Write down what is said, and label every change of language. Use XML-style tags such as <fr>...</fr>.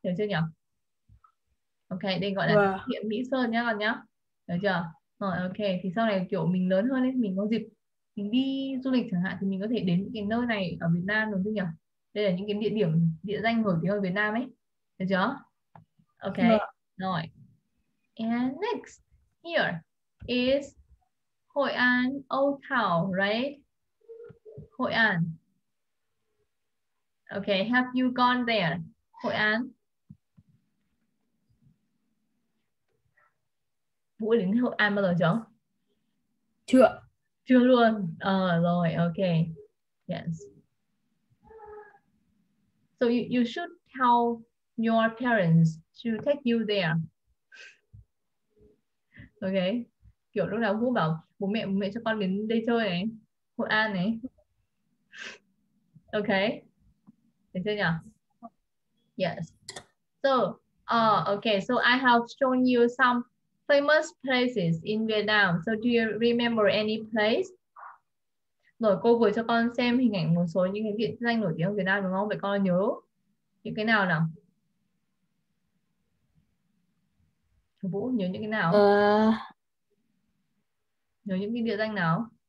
<vi>Hiểu chưa nhỉ? Ok, đây gọi là Vâng. thánh địa Mỹ Sơn nhá con nhá. Được chưa? Rồi, ok. Thì sau này kiểu mình lớn hơn ấy, mình có dịp mình đi du lịch chẳng hạn thì mình có thể đến những cái nơi này ở Việt Nam đúng không nhỉ? Đây là những cái địa điểm địa danh nổi tiếng ở Việt Nam ấy, được chưa? Ok, Vâng. rồi.</vi> <en>And next here is Hội An Old Town, right? Hội An. Ok, have you gone there? Hội An.</en> <vi>Vũ đến Hội An bao giờ chưa? Chưa. Chưa luôn. Rồi, ok. Yes.</vi> <en>You should tell your parents to take you there. Ok.</en> <vi>Kiểu lúc nào Vũ bảo bố mẹ cho con đến đây chơi này. Hội An này. Ok. Được chưa nhỉ? Yes. Ok.</vi> <en>I have shown you some famous places in Vietnam. So do you remember any place?</en> <vi>Rồi cô vừa cho con xem hình ảnh một số những cái địa danh nổi tiếng ở Việt Nam đúng không? Vậy con nhớ những cái nào nào? Vũ nhớ những cái nào? Nhớ những cái địa danh nào?</vi>